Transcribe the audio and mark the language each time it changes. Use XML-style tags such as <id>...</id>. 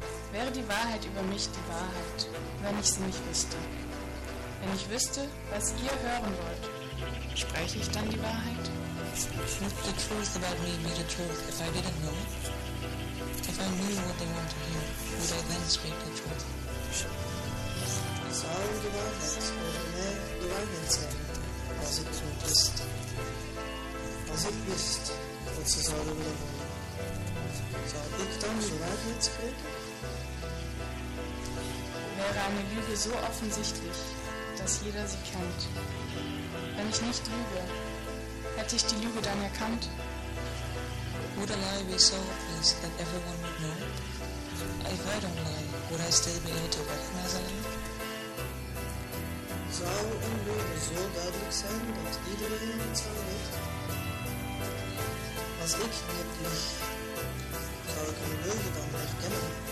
<de>Wäre die Wahrheit über mich die Wahrheit, wenn ich sie nicht wüsste? Wenn ich wüsste, was ihr hören wollt, spreche ich dann die Wahrheit?</de> <en>Would the truth about me be the truth if I didn't know? If I knew what they want to hear, would I then speak the truth?</en> <nl>Zou de waarheid over mij de waarheid zijn, als ik het niet wist? Als ik wist wat ze zouden willen horen, zou ik dan de waarheid spreken?</nl> <de>Wäre eine Lüge so offensichtlich, dass jeder sie kennt? Wenn ich nicht lüge, hätte ich die Lüge dann erkannt?</de> <en>Would a lie be so obvious that everyone would know? If I don't lie, would I still be able to recognize a lie?</en> <nl>Zou een leugen zo duidelijk zijn dat iedereen het zou weten? Als ik niet lieg, zou ik een leugen dan herkennen?</nl>